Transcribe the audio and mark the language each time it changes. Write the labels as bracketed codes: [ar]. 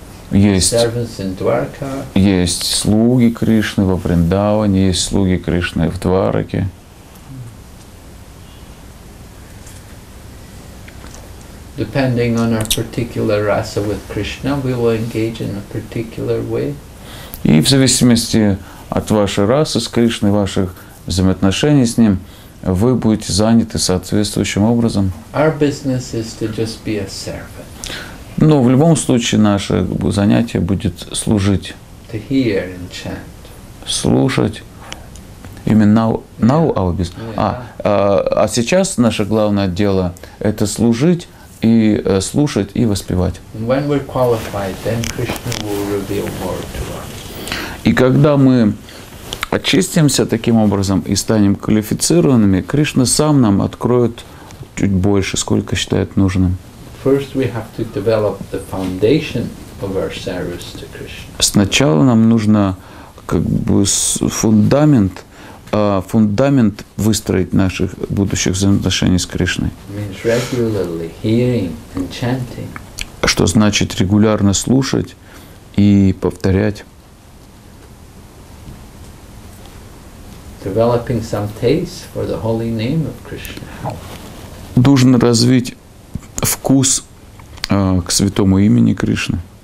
[ru] Есть [en] servants in Dwarka. [ru] Есть слуги Кришны во Вриндаване, есть слуги Кришны в Двараке. [en] Depending on our particular rasa with Krishna, we will engage in a particular way. [ru] И в зависимости от вашей расы с Кришной, ваших взаимоотношений с ним, вы будете заняты соответствующим образом. [en] Our business is to just be a servant. [ru] Но в любом случае наше занятие будет служить. [en] To hear and chant. [ru] Слушать. Именно [en] now our business. Yeah. [ru] А сейчас наше главное дело – это служить и слушать, и воспевать. [en] When we're qualified, then Krishna will reveal more to us. [ru] И когда мы очистимся таким образом и станем квалифицированными, Кришна сам нам откроет чуть больше, сколько считает нужным. [en] First we have to develop the foundation of our service to Krishna. [ru] Сначала нам нужно как бы фундамент выстроить наших будущих взаимоотношений с Кришной. [en] Means regularly hearing and chanting. [ru] Что значит регулярно слушать и повторять. [en] Developing some taste for the holy name of Krishna. [ru] Нужно развить вкус к святому имени Кришны.